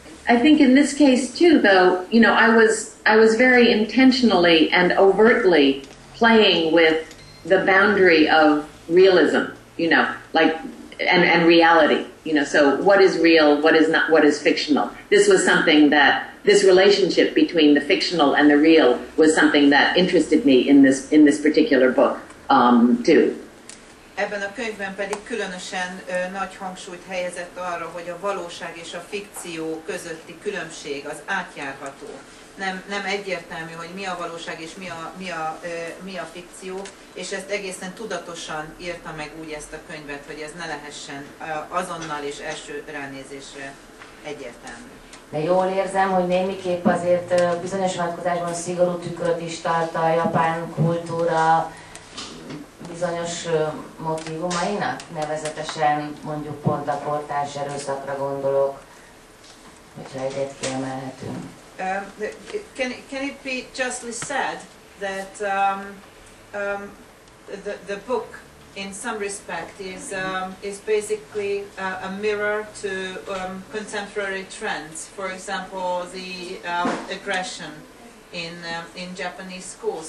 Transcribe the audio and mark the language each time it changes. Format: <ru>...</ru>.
<en>I think in this case too, though, you know, I was very intentionally and overtly playing with the boundary of realism, you know, like, and reality, you know. So what is real? What is not? What is fictional? This was something that this relationship between the fictional and the real was something that interested me in this particular book too.</en> <hu>Ebben a könyvben pedig különösen nagy hangsúlyt helyezett arra, hogy a valóság és a fikció közötti különbség az átjárható. nem egyértelmű, hogy mi a valóság és mi a fikció, és ezt egészen tudatosan írta meg úgy ezt a könyvet, hogy ez ne lehessen azonnal és első ránézésre egyértelmű. De jól érzem, hogy némiképp azért bizonyos vonatkozásban szigorú tükröt is tart a japán kultúra bizonyos motivumainak, nevezetesen mondjuk pont a kortárs erőszakra gondolok, hogyha egyet kiemelhetünk.</hu> <en>Can it be justly said that the book in some respect is basically a mirror to contemporary trends, for example the aggression in Japanese schools?</en>